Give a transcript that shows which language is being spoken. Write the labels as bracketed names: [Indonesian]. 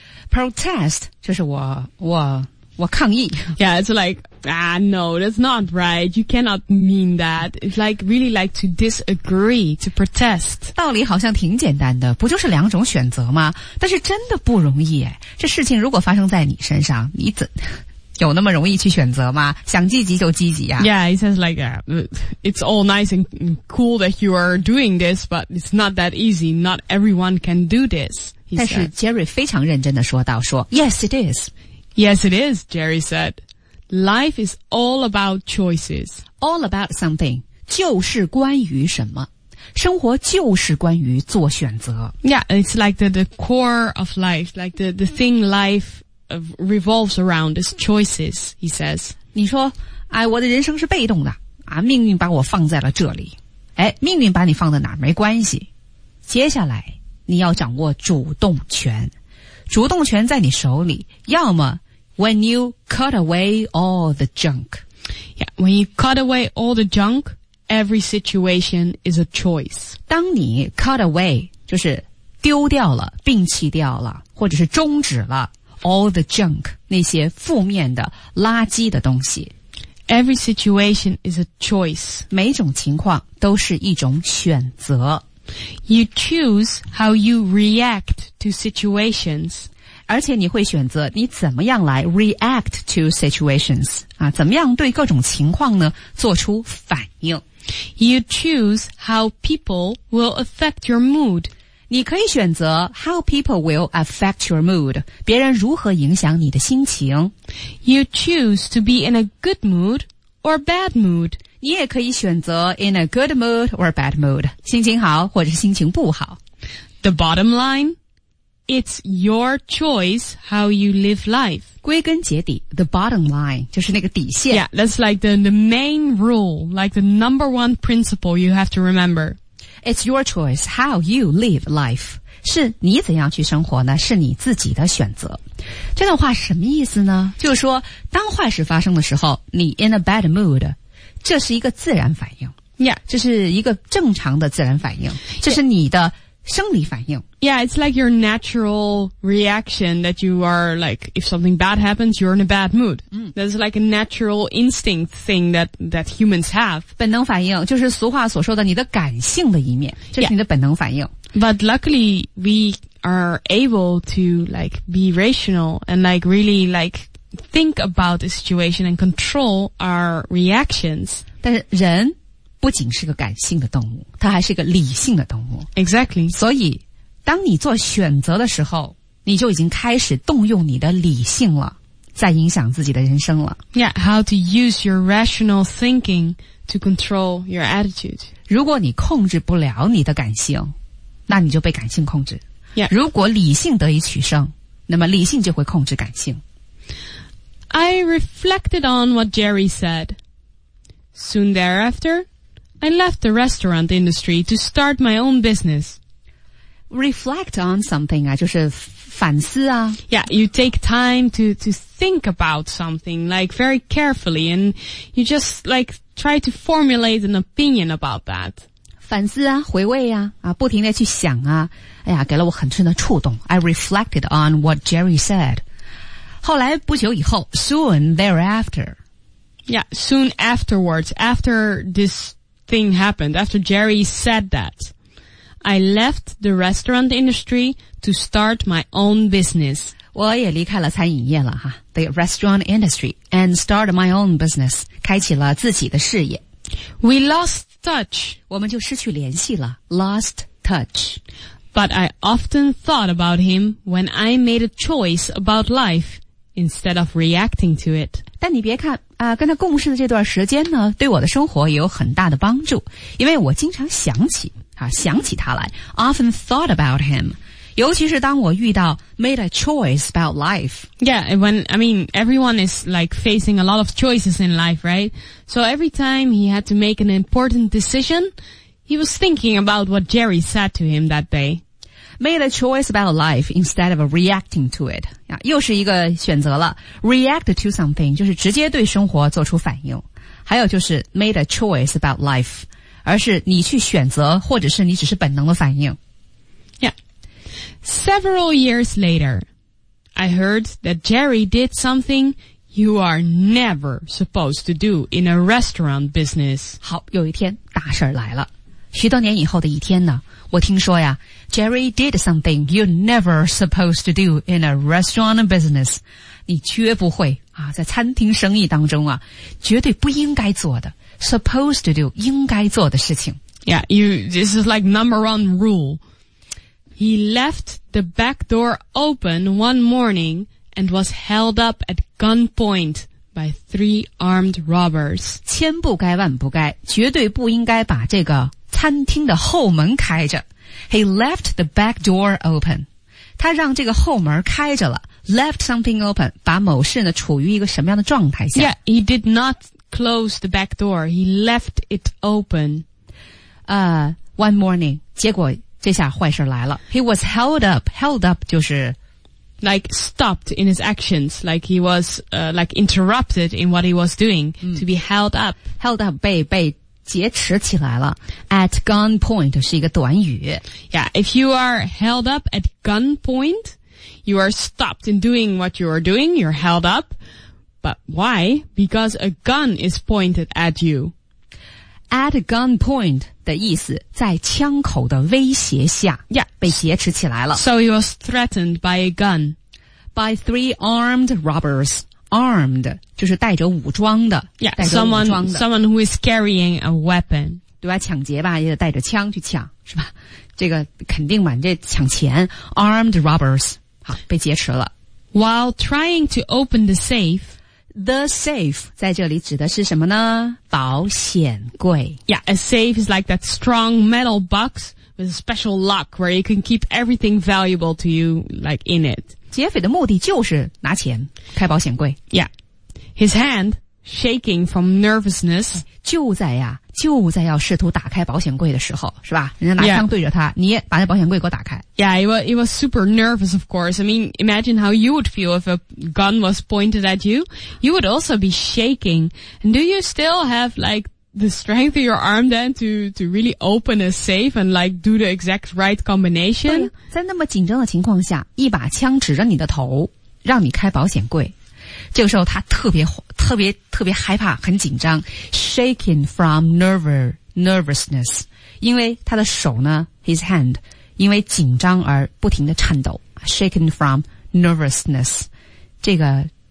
[Chinese] Protest, 就是我抗议。 [English] Yeah, it's like... Ah, no, that's not right. You cannot mean that. It's like, really like to disagree, to protest. [Chinese] 道理好像挺简单的，不就是两种选择吗？但是真的不容易诶。这事情如果发生在你身上，你怎有那么容易去选择吗？想积极就积极啊。 [English] Yeah, it sounds like, it's all nice and cool that you are doing this, but it's not that easy. Not everyone can do this. [Chinese] 但是 Jerry 非常认真地说道，说 [English] Yes, it is. Yes, it is, Jerry said. Life is all about choices. All about something. [Chinese] 就是关于什么。生活就是关于做选择。 [English] Yeah, it's like the core of life, like the thing life revolves around is choices, he says. [Chinese] 你说，哎，我的人生是被动的，啊，命运把我放在了这里。哎，命运把你放在哪儿没关系。接下来，你要掌握主动权。主动权在你手里，要么 [English] When you cut away all the junk. Yeah, when you cut away all the junk, every situation is a choice. [Chinese] 当你 [English] cut away, [Chinese] 就是丢掉了摒弃掉了或者是终止了 [English] all the junk, [Chinese] 那些负面的垃圾的东西。 [English] Every situation is a choice. [Chinese] 每种情况都是一种选择。 [English] You choose how you react to situations. [Chinese] 而且你会选择你怎么样来 [English] react to situations, [Chinese] 啊，怎么样对各种情况呢做出反应。 [English] You choose how people will affect your mood. [Chinese] 你可以选择 [English] how people will affect your mood, [Chinese] 别人如何影响你的心情。 [English] You choose to be in a good mood or bad mood. [Chinese] 你也可以选择 [English] in a good mood or bad mood, [Chinese] 心情好或者心情不好。 [English] The bottom line,It's your choice how you live life. [Chinese] 归根结底 [English] the bottom line, [Chinese] 就是那个底线。 [English] Yeah, that's like the main rule, like the number one principle you have to remember. It's your choice how you live life. [Chinese] 是你怎样去生活呢？是你自己的选择。这段话是什么意思呢？就是说，当坏事发生的时候，你 [English] in a bad mood, [Chinese] 这是一个自然反应。 [English] Yeah. [Chinese] 这是一个正常的自然反应。这是你的生理反应。 [English] Yeah, it's like your natural reaction that you are like, if something bad happens, you're in a bad mood. That's like a natural instinct thing that humans have. [Chinese] 本能反应就是俗话所说的你的感性的一面，这是你的本能反应。 [English] Yeah. But luckily, we are able to like be rational and like really like think about the situation and control our reactions. [Chinese] 但是人不仅是个感性的动物，它还是个理性的动物。 [English] Exactly. [Chinese] 所以当你做选择的时候，你就已经开始动用你的理性了，在影响自己的人生了。 [English] Yeah, how to use your rational thinking to control your attitude. [Chinese] 如果你控制不了你的感性，那你就被感性控制。 [English] Yeah. [Chinese] 如果理性得以取胜，那么理性就会控制感性。 [English] I reflected on what Jerry said. Soon thereafter, I left the restaurant industry to start my own business. Reflect on something [Chinese] 啊，就是反思啊。 [English] Yeah, you take time to think about something like very carefully, and you just like try to formulate an opinion about that. [Chinese] 反思啊，回味啊，啊，不停地去想啊，哎呀，给了我很深的触动。 [English] I reflected on what Jerry said. [Chinese] 后来不久以后 [English] soon thereafter. Yeah, soon afterwards, after this thing happened, after Jerry said that, I left the restaurant industry to start my own business. [Chinese] 我也离开了餐饮业了哈 [English] the restaurant industry, and start my own business, [Chinese] 开启了自己的事业。 [English] We lost touch. [Chinese] 我们就失去联系了 [English] lost touch. But I often thought about him when I made a choice about life instead of reacting to it. [Chinese] 但你别看啊，跟他共事的这段时间呢，对我的生活也有很大的帮助，因为我经常想起啊，想起他来。 [English] Often thought about him, [Chinese] 尤其是当我遇到 [English] made a choice about life. Yeah, when I mean everyone is like facing a lot of choices in life, right? So every time he had to make an important decision. He was thinking about what Jerry said to him that day. Made a choice about life instead of reacting to it. [Chinese] 又是一个选择了。 [English] React to something [Chinese] 就是直接对生活做出反应。还有就是 [English] made a choice about life, [Chinese] 而是你去选择或者是你只是本能的反应。 [English] Yeah. Several years later, I heard that Jerry did something you are never supposed to do in a restaurant business. [Chinese] 好,有一天大事儿来了。许多年以后的一天呢，我听说呀 [English] ，Jerry did something you're never supposed to do in a restaurant business. [Chinese] 你绝不会啊，在餐厅生意当中啊，绝对不应该做的 ， [English] supposed to do [Chinese] 应该做的事情。 [English] Yeah, this is like number one rule. He left the back door open one morning and was held up at gunpoint. By three armed robbers. [Chinese] 千不该万不该，绝对不应该把这个餐厅的后门开着。 [English] He left the back door open. [Chinese] 他让这个后门开着了。 [English] Left something open, [Chinese] 把某事呢处于一个什么样的状态下。 [English] Yeah, he did not close the back door. He left it open. One morning, [Chinese] 结果这下坏事来了。 [English] He was held up. Held up [Chinese] 就是 [English] Like stopped in his actions, like he was, like interrupted in what he was doing, to be held up. Held up, [Chinese] 被劫持起来了。 [English] At gunpoint [Chinese] 是一个短语。 [English] Yeah, if you are held up at gunpoint, you are stopped in doing what you are doing, you're held up. But why? Because a gun is pointed at you. At gunpoint [Chinese] 的意思在枪口的威胁下、 [English] yeah. [Chinese] 被挟持起来了。 [English] So he was threatened by a gun. By three armed robbers. [Chinese] Armed 就是带着武装的。 [English] Yeah, [Chinese] 带着武装的。 [English] Someone who is carrying a weapon. [Chinese] 对吧，抢劫吧，也得带着枪去抢，是吧？这个肯定嘛，这抢钱。 [English] Armed robbers. [Chinese] 好，被劫持了。 [English] While trying to open the safe, The safe [Chinese] 在这里指的是什么呢？保险柜。 [English] Yeah, a safe is like that strong metal box with a special lock where you can keep everything valuable to you, like in it. [Chinese] 劫匪的目的就是拿钱，开保险柜。 [English] Yeah, his hand shaking from nervousness. [Chinese] 就在要试图打开保险柜的时候，是吧？人家拿枪对着他， [English] yeah. [Chinese] 你也把那保险柜给我打开。 [English] Yeah, it was super nervous, of course. I mean, imagine how you would feel if a gun was pointed at you. You would also be shaking. And do you still have, like, the strength of your arm then to really open a safe and like do the exact right combination. [Chinese] 对，在那么紧张的情况下，一把枪指着你的头，让你开保险柜。这个时候他特别害怕，很紧张 ， [English] shaking from nervousness， [Chinese] 因为他的手呢 ， [English] his hand， [Chinese] 因为紧张而不停的颤抖 ，shaking from nervousness， 这个。